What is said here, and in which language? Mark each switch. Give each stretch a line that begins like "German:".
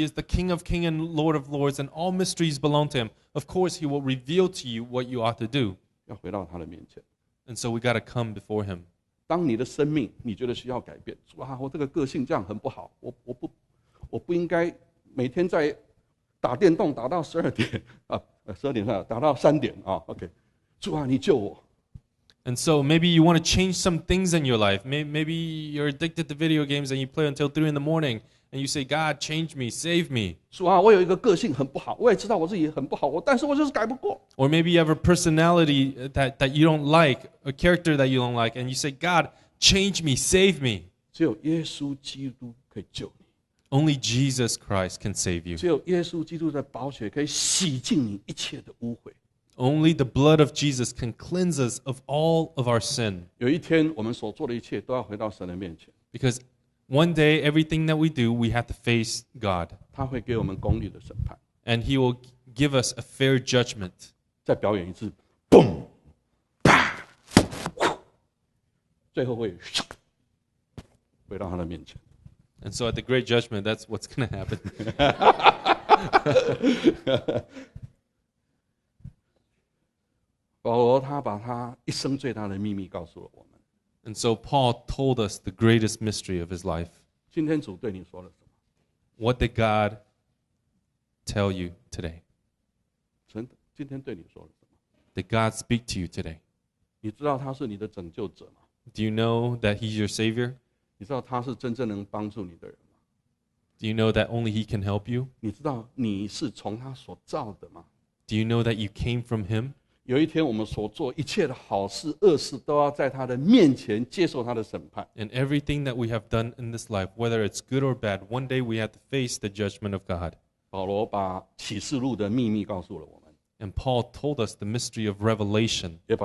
English: He is the King of kings and Lord of lords, and all mysteries belong to Him. Of course, He will reveal to you what you ought to do.
Chinese: 要回到他的面前。
English: And so we got to come before Him.
Chinese: 当你的生命, 你觉得需要改变, 主啊, 我这个个性这样很不好, 我不应该每天在打电动打到12点, 12点上, 打到3点, okay. 主啊, 你救我。
English: And so maybe you want to change some things in your life. Maybe you're addicted to video games and you play until 3 in the morning. And you say, God, change me, save me.
Chinese: 主啊, 我有一个个性很不好, 我也知道我自己很不好, 但是我就是改不过。
English: Or maybe you have a personality that you don't like, a character that you don't like, and you say, God, change me, save me.
Chinese: 只有耶稣基督可以救你。
English: Only Jesus Christ can save you.
Chinese: 只有耶稣基督的宝血可以洗净你一切的污秽。
English: Only the blood of Jesus can cleanse us of all of our sin. Because one day, everything that we do, we have to face God. And He will give us a fair judgment.
Chinese: 再表演一次, boom, bang, 最后会,
English: and so at the great judgment, that's what's going to happen.
Chinese: 保罗他把他一生最大的秘密告诉了我们。
English: And so Paul told us the greatest mystery of his life.
Chinese: 今天主对你说了什么?
English: What did God tell you today?
Chinese: 今天对你说了什么?
English: Did God speak to you today?
Chinese: 你知道他是你的拯救者吗?
English: Do you know that He's your Savior?
Chinese: 你知道他是真正能帮助你的人吗?
English: Do you know that only He can help you?
Chinese: 你知道你是从他所造的吗?
English: Do you know that you came from Him?
Chinese: 有一天我们所做一切的好事恶事都要在他的面前接受他的审判。
English: And everything that we have done in this life, whether it's good or bad, one day we have to face the judgment of God.
Chinese: 保罗把启示录的秘密告诉了我们。
English: And Paul told us the mystery of Revelation.